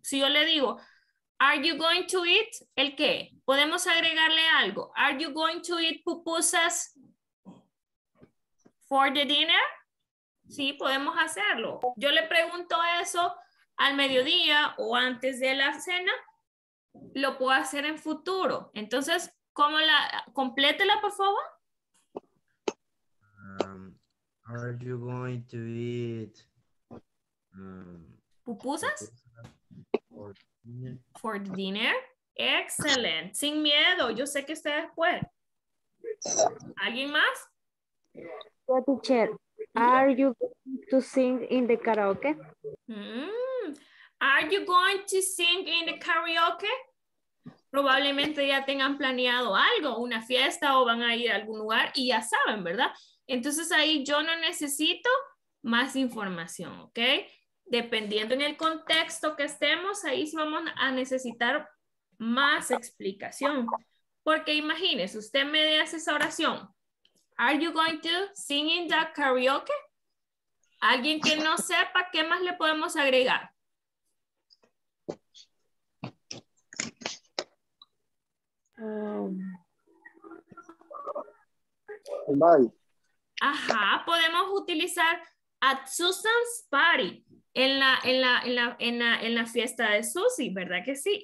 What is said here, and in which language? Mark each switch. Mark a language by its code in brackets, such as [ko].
[es] Si yo le digo, [en] are you going to eat? [es] ¿El qué? Podemos agregarle algo. [en] Are you going to eat pupusas for the dinner? [es] Sí, podemos hacerlo. Yo le pregunto eso al mediodía o antes de la cena. Lo puedo hacer en futuro. Entonces, ¿cómo la? Complétela, por favor. [en] Are you going to eat pupusas? For dinner. Excellent. [es] Sin miedo. Yo sé que ustedes pueden. ¿Alguien más? [en] Yeah, teacher. Are you going to sing in the karaoke? Are you going to sing in the karaoke? [es] Probablemente ya tengan planeado algo, una fiesta o van a ir a algún lugar y ya saben, ¿verdad? Entonces ahí yo no necesito más información, ¿ok? Dependiendo en el contexto que estemos, ahí sí vamos a necesitar más explicación. Porque imagínense, usted me hace esa oración. [en] Are you going to sing in the karaoke? [es] Alguien que no sepa, ¿qué más le podemos agregar? Ajá, podemos utilizar [en] at Susan's party [es] en la fiesta de Susie, ¿verdad que sí?